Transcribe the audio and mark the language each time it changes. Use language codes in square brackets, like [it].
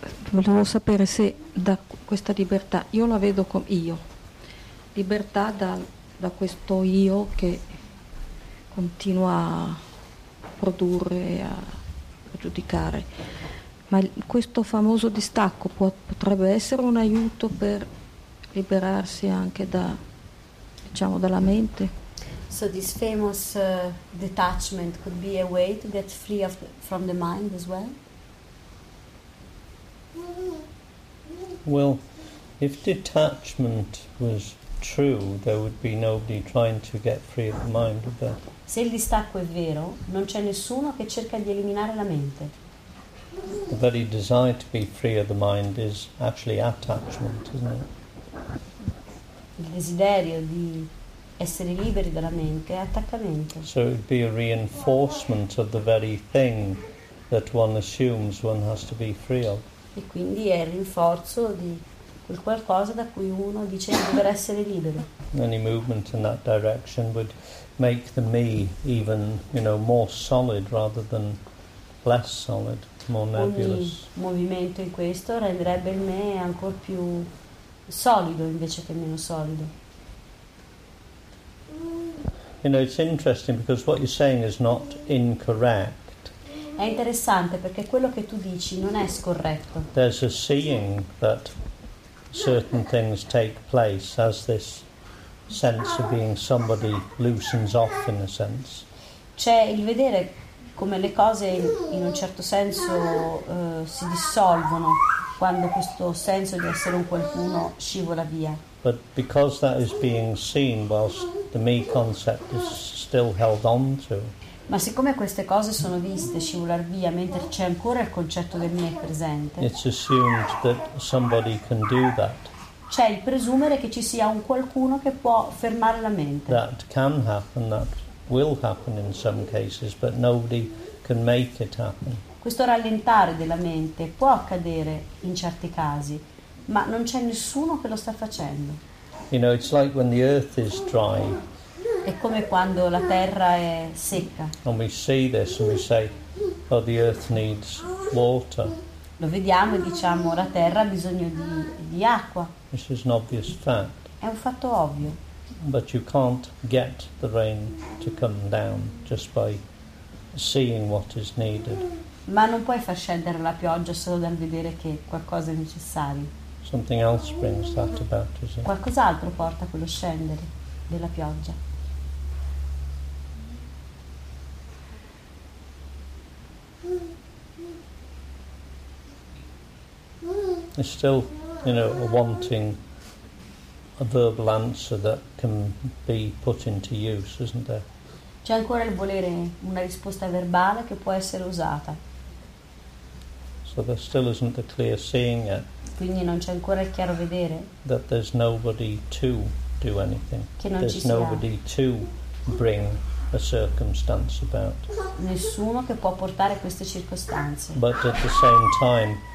[it] Volevo sapere se da questa libertà, io la vedo come io, libertà da questo io che continua a produrre, a giudicare, ma questo famoso distacco potrebbe essere un aiuto per liberarsi anche da, diciamo, dalla mente? [en] So this famous detachment could be a way to get free of from the mind as well? Well, if detachment was true, there would be nobody trying to get free of the mind. [it] Se il distacco è vero, non c'è nessuno che cerca di eliminare la mente. [en] The very desire to be free of the mind is actually attachment, isn't it? [it] Il desiderio di essere liberi dalla mente è attaccamento. [en] So it would be a reinforcement of the very thing that one assumes one has to be free of. [it] E quindi è il rinforzo di quel qualcosa da cui uno dice di dover essere libero. [en] Any movement in that direction would make the me even, you know, more solid rather than less solid, more nebulous. [it] Ogni movimento in questo renderebbe il me ancora più solido invece che meno solido. [en] You know, it's interesting because what you're saying is not incorrect. [it] È interessante perché quello che tu dici non è scorretto. [en] There's a seeing that certain things take place as this sense of being somebody loosens off in a sense. [it] C'è il vedere come le cose in un certo senso si dissolvono quando questo senso di essere un qualcuno scivola via. [en] But because that is being seen whilst the me concept is still held on to. [it] Ma siccome queste cose sono viste scivolar via mentre c'è ancora il concetto del me presente, [en] it's assumed that somebody can do that. [it] C'è il presumere che ci sia un qualcuno che può fermare la mente. [en] That can happen, that will happen in some cases, but nobody can make it happen. [it] Questo rallentare della mente può accadere in certi casi, ma non c'è nessuno che lo sta facendo. [en] You know, it's like when the earth is dry. [it] È come quando la terra è secca. [en] And we see this and we say, oh, the earth needs water. [it] Lo vediamo e diciamo la terra ha bisogno di acqua. [en] This is an obvious fact. [it] È un fatto ovvio. [en] But you can't get the rain to come down just by seeing what is needed. [it] Ma non puoi far scendere la pioggia solo dal vedere che qualcosa è necessario. [en] Something else brings that about, is it? [it] Qualcos'altro porta quello scendere della pioggia. [en] There's still, you know, a wanting a verbal answer that can be put into use, isn't there? [it] C'è ancora il volere una risposta verbale che può essere usata. [en] So there still isn't a clear seeing yet. [it] Quindi non c'è ancora il chiaro vedere. [en] That there's nobody to do anything. [it] Che non [en] there's [it] ci [en] nobody [it] sia. [en] To bring a circumstance about. [it] Nessuno che può portare queste circostanze. [en] But at the same time,